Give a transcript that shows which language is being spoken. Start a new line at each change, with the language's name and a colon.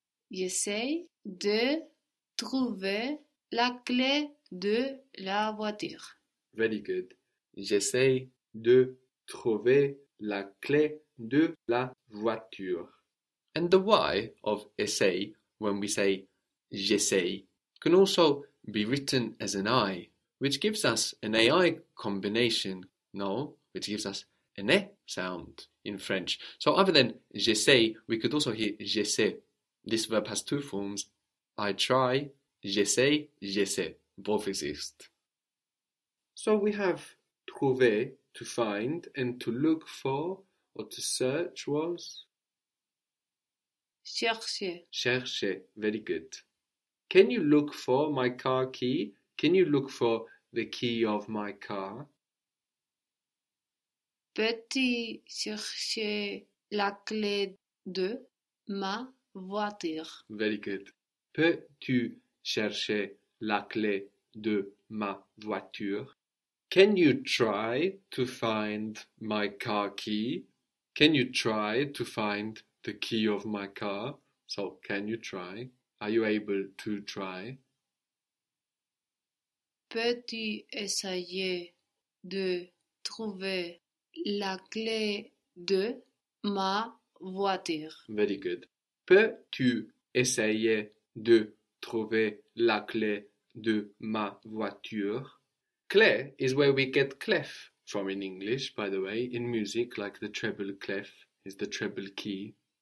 French: J'essaie de trouver la clé de la voiture.
English: Very good.
French: J'essaie de trouver la clé de la voiture.
English: And the Y of essay, when we say j'essaie, can also be written as an I, which gives us an AI combination, no? Which gives us an E sound in French. So other than j'essaie, we could also hear j'essaie. This verb has two forms. I try, j'essaie, j'essaie. Both exist. So we have trouver, to find, and to look for, or to search was?
French: Chercher.
English: Chercher. Very good. Can you look for my car key? Can you look for the key of my car?
French: Peux-tu chercher la clé de ma voiture?
English: Very good.
French: Peux-tu chercher la clé de ma voiture?
English: Can you try to find my car key? Can you try to find the key of my car? So, can you try? Are you able to try?
French: Peux-tu essayer de trouver la clé de ma voiture?
English: Very good.
French: Peux-tu essayer de trouver la clé de ma voiture?
English: Clef is where we get clef from in English, by the way. In music, like the treble clef is the treble key.